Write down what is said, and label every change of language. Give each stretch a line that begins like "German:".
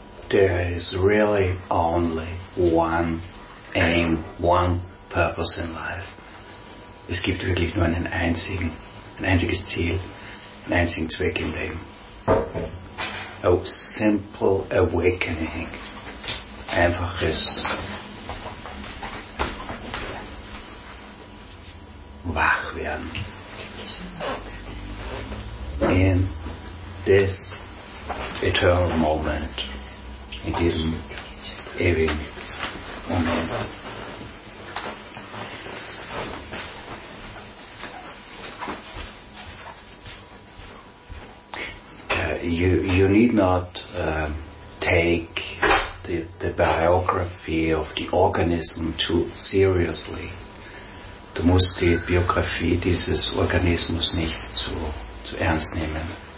English: there is really only one aim, one purpose in life.
German: Es gibt wirklich nur ein einziges Ziel, einen einzigen Zweck im Leben.
English: A simple awakening.
German: Einfaches Wachwerden.
English: In this eternal moment.
German: In diesem ewigen Moment.
English: You need not take the biography of the organism too seriously.
German: Du musst die Biografie dieses Organismus nicht zu ernst nehmen.